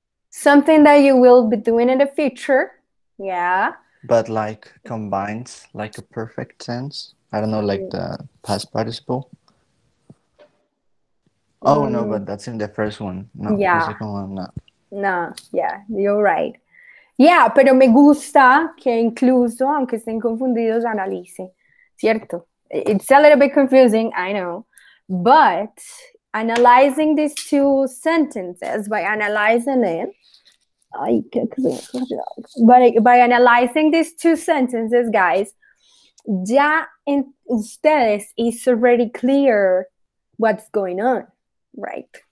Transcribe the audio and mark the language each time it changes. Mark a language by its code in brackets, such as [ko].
[en] Something that you will be doing in the future. Yeah. But like combined, like a perfect tense. I don't know, like the past participle. Oh, no, but that's in the first one. No, yeah. The second one, no. No, yeah, you're right. [es] Yeah, pero me gusta que incluso, aunque estén confundidos, analice. Cierto. [en] It's a little bit confusing, I know. But analyzing these two sentences, by analyzing it, by analyzing these two sentences, guys, [es] ya en ustedes [en] is already clear what's going on, right?